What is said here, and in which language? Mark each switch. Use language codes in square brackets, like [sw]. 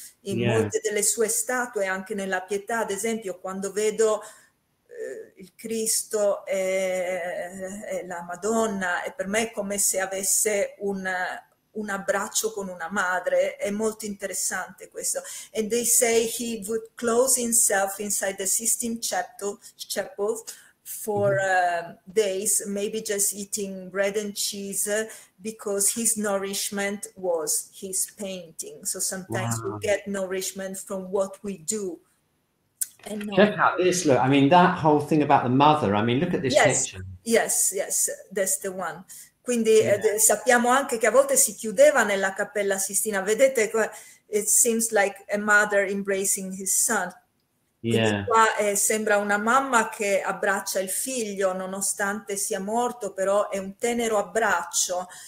[it] In molte delle sue statue, anche nella Pietà, ad esempio, quando vedo il Cristo e la Madonna, e per me è come se avesse un abbraccio con una madre. È molto interessante questo. [en] And they say he would close himself inside the Sistine Chapel for days, maybe just eating bread and cheese, because his nourishment was his painting. So sometimes we get nourishment from what we do. Check out this, look, I mean, that whole thing about the mother, I mean, look at this picture. Yes, yes, that's the one. [it] Quindi sappiamo anche che a volte si chiudeva nella Cappella Sistina. Vedete, [en] it seems like a mother embracing his son. [it] Qua sembra una mamma che abbraccia il figlio, nonostante sia morto, però è un tenero abbraccio.